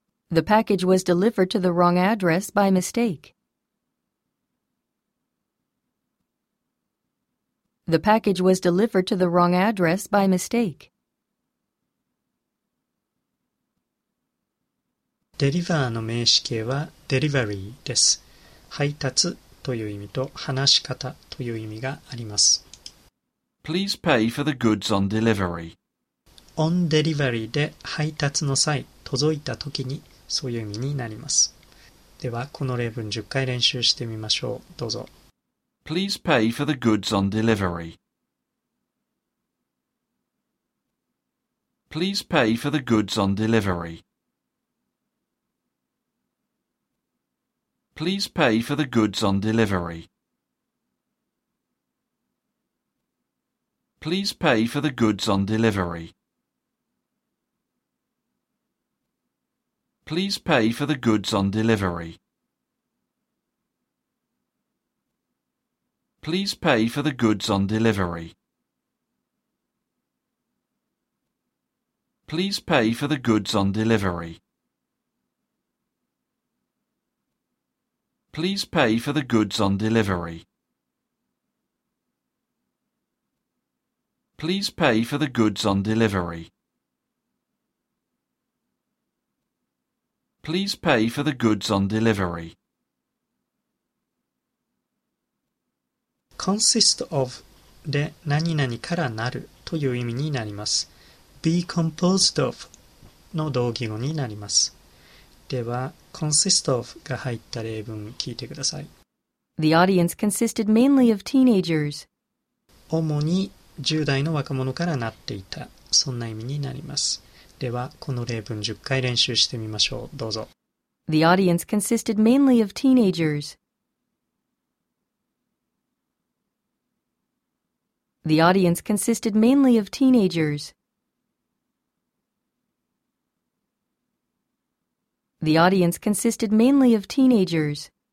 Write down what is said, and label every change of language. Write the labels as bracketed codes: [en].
[en] The package was delivered to the wrong address by mistake. The package was delivered to the wrong address by mistake. [ja] デリバーの名詞形はデリバリーです。配達という意味と話し方という意味があります。 [en] Please pay for the goods on delivery. On delivery [ja] で配達の際、届いた時に、そういう意味になります。ではこの例文10回練習してみましょう。どうぞ。 [en] Please pay for the goods on delivery. Please pay for the goods on delivery. Please pay for the goods on delivery. Please pay for the goods on delivery. Please pay for the goods on delivery. Please pay for the goods on delivery. Please pay for the goods on delivery. Please pay for the goods on delivery. Please pay for the goods on delivery. Please pay for the goods on delivery. [ja] consist of で何々からなるという意味になります。 be composed of の同義語になります。では、consist of が入った例文聞いてください。 [en] The audience consisted mainly of teenagers. [ja] 主に10代の若者からなっていた。そんな意味になります。では、この例文10回練習してみましょう。どうぞ。 [en] The audience consisted mainly of teenagers. The audience consisted mainly of teenagers. The audience consisted mainly of teenagers.